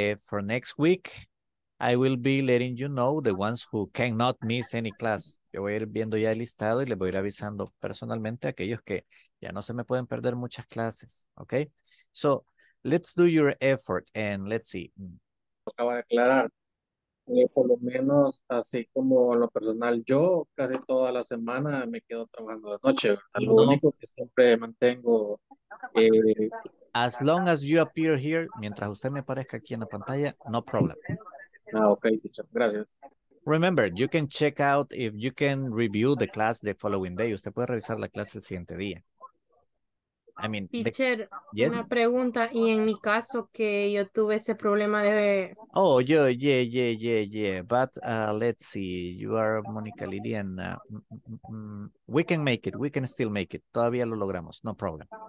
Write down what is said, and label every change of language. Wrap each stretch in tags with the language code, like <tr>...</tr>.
<en>For next week, I will be letting you know the ones who cannot miss any class.</en> <es>Yo voy a ir viendo ya el listado y les voy a ir avisando personalmente a aquellos que ya no se me pueden perder muchas clases.</es> <en>Okay? So, let's do your effort and let's see.</en> <es>Acaba de aclarar. Por lo menos, así como lo personal, yo casi toda la semana me quedo trabajando de noche. Lo único que siempre mantengo...</es> <en>As long as you appear here,</en> <es>mientras usted me aparezca aquí en la pantalla,</es> <en>no problem. Ah, okay, teacher.</en> <es>Gracias.</es> <en>Remember, you can check out if you can review the class the following day.</en> <es>Usted puede revisar la clase el siguiente día.</es> <en>I mean, teacher, yes?</en> <es>Una pregunta, y en mi caso que yo tuve ese problema de...</es> <en>Oh, yeah. But let's see, you are Monica Lilian. We can make it, we can still make it.</en> <es>Todavía lo logramos,</es> <en>no problem.</en>